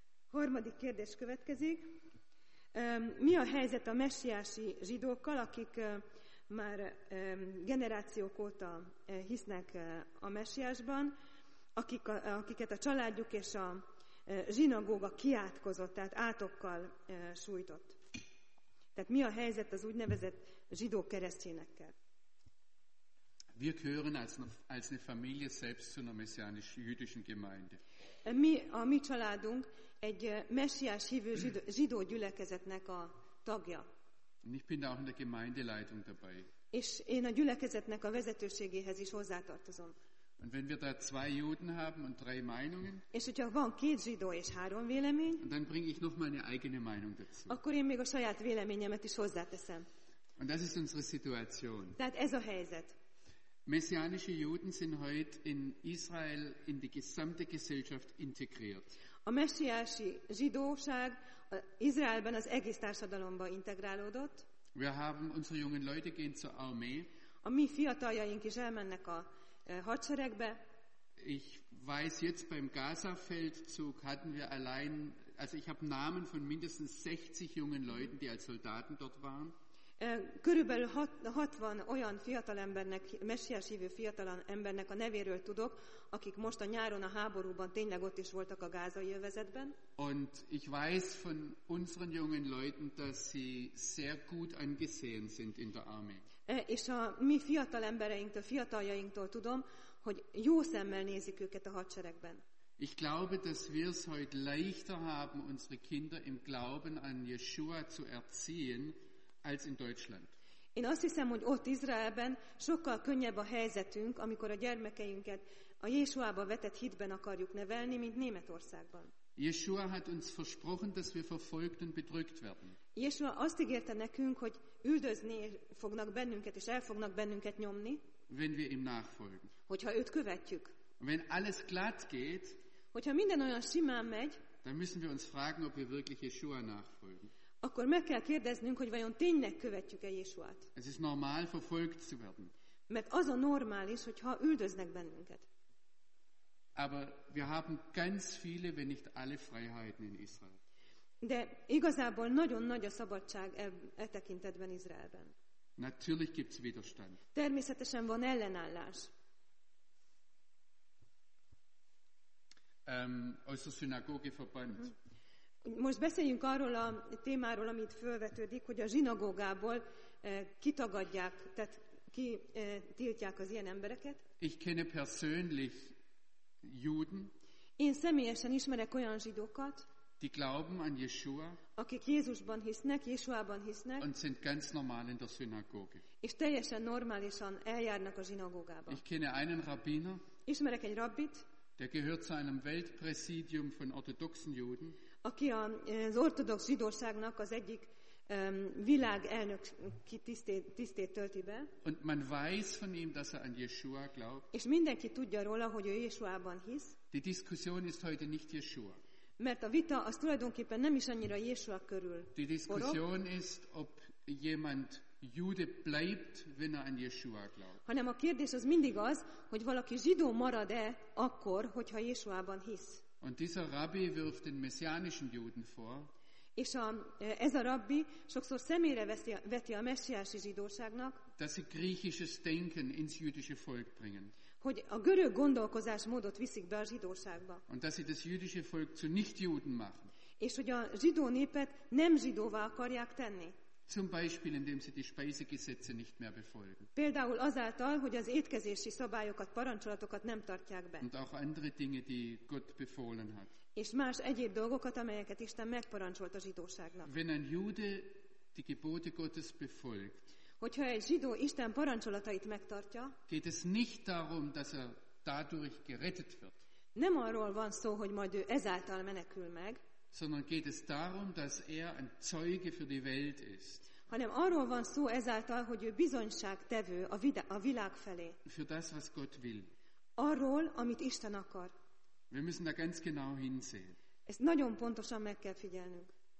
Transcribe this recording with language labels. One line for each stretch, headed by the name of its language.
Hungarian: Harmadik kérdés következik. Mi a helyzet a messiási zsidókkal, akik már generációk óta hisznek a messiásban, akiket a családjuk és a zsinagóga kiátkozott, tehát átokkal sújtott. Tehát mi a helyzet az úgynevezett zsidó keresztényekkel?
German: Wir gehören als eine Familie selbst zu einer messianisch-jüdischen Gemeinde.
Hungarian: A mi családunk egy messiás hívő zsidó gyülekezetnek a tagja.
German: Und ich bin auch in der Gemeindeleitung dabei.
Hungarian: És én a gyülekezetnek a vezetőségéhez is hozzátartozom.
German: Und wenn wir da zwei Juden haben und drei Meinungen,
Hungarian: és hogyha van két zsidó és három vélemény,
German: dann bringe ich noch meine eigene Meinung dazu.
Hungarian: Akkor én még a saját véleményemet is hozzáteszem.
German: Und das ist unsere Situation.
Hungarian: Tehát ez a helyzet.
German: Messianische Juden sind heute in Israel in die gesamte Gesellschaft integriert.
Hungarian: A messiási zsidóság Izraelben az egész társadalomba integrálódott.
German: Wir haben unsere jungen Leute gehen zur Armee.
Hungarian: A mi fiataljaink is elmennek a hadseregbe.
German: Ich weiß jetzt beim Gaza-Feldzug hatten wir allein, also ich habe Namen von mindestens 60 jungen Leuten, die als Soldaten dort waren.
Hungarian: Körülbelül 60 olyan fiatalembernek, messiás hívő fiatalembernek a nevéről tudok, akik most a nyáron a háborúban tényleg ott is voltak a gázai övezetben.
German: Und ich weiß von unseren jungen Leuten, dass sie sehr gut angesehen sind in der Armee.
Hungarian: És a mi fiatalembereinktől, fiataljainktól tudom, hogy jó szemmel nézik őket a hadseregben.
German: Ich glaube, dass wir es heute leichter haben, unsere Kinder im Glauben an Yeshua zu erziehen, als in Deutschland.
Hungarian: Én azt hiszem, hogy ott Izraelben sokkal könnyebb a helyzetünk, amikor a gyermekeinket a Jézusba vetett hitben akarjuk nevelni, mint Németországban.
German: Yeshua hat uns versprochen, dass wir verfolgt und bedrückt werden.
Hungarian: Yeshua azt ígérte nekünk, hogy üldözni fognak bennünket és el fognak bennünket nyomni.
German: Wenn wir ihm nachfolgen.
Hungarian: Hogyha őt követjük.
German: Wenn alles glatt geht.
Hungarian: Hogyha minden olyan simán megy.
German: Dann müssen wir uns fragen, ob wir wirklich Yeshua nachfolgen.
Hungarian: Akkor meg kell kérdeznünk, hogy vajon tényleg követjük-e Jézsuát.
German: Es ist normal, verfolgt zu werden.
Hungarian: Mert az a normális, hogyha üldöznek bennünket.
German: Aber wir haben ganz viele, wenn nicht alle Freiheiten in Israel.
Hungarian: De igazából nagyon nagy a szabadság e tekintetben Izraelben.
German: Natürlich gibt's Widerstand.
Hungarian: Természetesen van ellenállás.
German: Aus der Synagoge verbannt.
Hungarian: Most beszéljünk arról a témáról, amit fölvetődik, hogy a zsinagógából kitagadják, tehát ki tiltják az ilyen embereket.
German: Ich kenne persönlich Juden.
Hungarian: Én személyesen ismerek olyan zsidókat,
German: die glauben an Yeshua,
Hungarian: akik Jézusban hisznek, Jézusában hisznek,
German: und sind ganz normal in der Synagoge.
Hungarian: És teljesen normálisan eljárnak a zsinagógába.
German: Ich kenne einen Rabbiner,
Hungarian: ismerek egy rabbit,
German: der gehört zu einem Weltpräsidium von orthodoxen Juden,
Hungarian: aki az ortodox zsidóságnak az egyik világelnök tisztét tölti be.
German: Und man weiß von ihm, dass er an Yeshua glaubt.
Hungarian: És mindenki tudja róla, hogy ő Jeshuában hisz.
German: Die Diskussion ist heute nicht Yeshua.
Hungarian: Mert a vita az tulajdonképpen nem is annyira Yeshua körül.
German: Die Diskussion ist, ob jemand Jude bleibt, wenn er an Yeshua glaubt.
Hungarian: Hanem a kérdés az mindig az, hogy valaki zsidó marad-e akkor, hogyha Jeshuában hisz.
German: Und dieser Rabbi wirft den messianischen Juden vor.
Hungarian: És ez a rabbi sokszor szemére veti a messiási zsidóságnak,
German: dass sie griechisches Denken ins jüdische Volk bringen.
Hungarian: Hogy a görög gondolkozásmódot viszik be a zsidóságba.
German: Und dass sie das jüdische Volk zu Nichtjuden machen.
Hungarian: És hogy a zsidó népet nem zsidóvá akarják tenni.
German: Zum Beispiel, indem sie die Speisegesetze nicht mehr befolgen.
Hungarian: Például azáltal, hogy az étkezési szabályokat, parancsolatokat nem tartják be.
German: Und auch andere Dinge, die Gott befohlen hat.
Hungarian: És más egyéb dolgokat, amelyeket Isten megparancsolt a zsidóságnak.
German: Wenn ein Jude die Gebote Gottes befolgt,
Hungarian: hogyha egy zsidó Isten parancsolatait megtartja,
German: geht es nicht darum, dass er dadurch gerettet wird.
Hungarian: Nem arról van szó, hogy majd ő ezáltal menekül meg,
German: sondern geht es darum, dass er ein Zeuge für die Welt ist.
Hungarian: Hanem arról van szó ezáltal, hogy ő bizonyságtevő a világ felé.
German: Für das, was Gott will.
Hungarian: Arról, amit Isten akar.
German: Wir müssen da ganz genau hinsehen.
Hungarian: Ezt nagyon pontosan meg kell figyelnünk.